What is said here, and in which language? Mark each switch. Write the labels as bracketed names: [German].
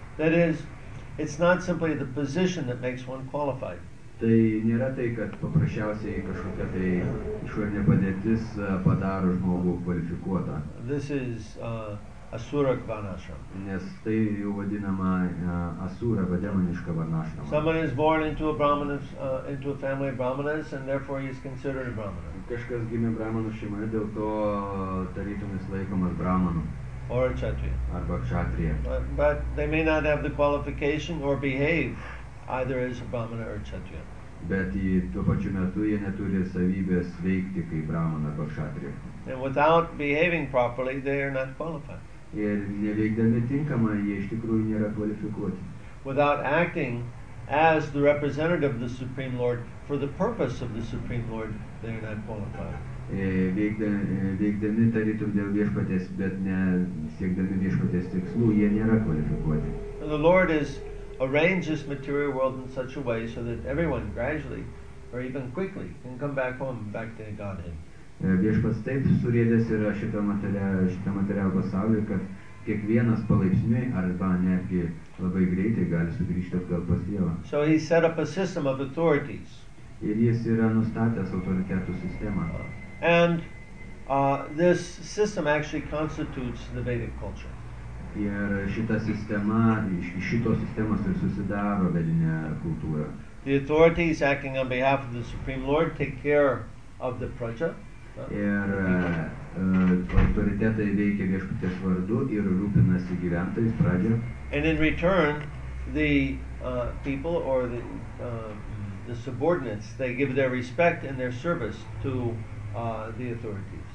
[English] That is, it's not simply the position that makes one qualified. [Lithuanian] Tai nėra tai, kad paprasčiausiai kažkokia tai išorinė padėtis padaro žmogų kvalifikuotą. [English] This is asurak vanashram. [Lithuanian] Nes tai jau vadinama asura, demoniška vanashram. [English] Someone is born into a family of brahmanas and therefore he is considered a brahmana. [Lithuanian] Kažkas gimė brahmanų šeimoje, dėl to tarytum jis laikomas brahmanu. [English] Or a kshatriya. [Lithuanian] Arba kshatriya. [English] But they may not have the qualification or behave either as a brahmana or a kshatriya. [Lithuanian] Bet į tuo pačiu metu jie neturi savybės veikti kaip brahmana arba kshatriya. [English] And without behaving properly, they are not qualified. [Lithuanian] Ir neveikdami tinkamai, jie iš tikrųjų nėra kvalifikuoti. [English] Without acting as the representative of the Supreme Lord for the purpose of the Supreme Lord, they are not qualified. [Lithuanian] Veikdami tarytum dėl viešpaties, bet ne siekdami viešpaties tikslų, jie nėra kvalifikuoti. [English] And the Lord is arrange this material world in such a way so that everyone gradually or even quickly can come back home back to Godhead. [Lithuanian] Viešpats taip surėdęs yra šitą materialų pasaulį, kad kiekvienas palaipsniui arba netgi labai greitai gali sugrįžti atgal pas Dievą. [English] So he set up a system of authorities. [Lithuanian] Ir jis yra nustatęs autoritetų sistemą. [English] And this system actually constitutes the Vedic culture. [Lithuanian] Ir šita sistema, iš šitos sistemos ir susidaro vedinė kultūra. [English] the authorities acting on behalf of the Supreme Lord take care of the praja. [Lithuanian] Ir autoritetai veikia viešpaties vardu ir rūpinasi gyventojais pradžia. [English] And in return, the people or the subordinates, they give their respect and their service to the authorities.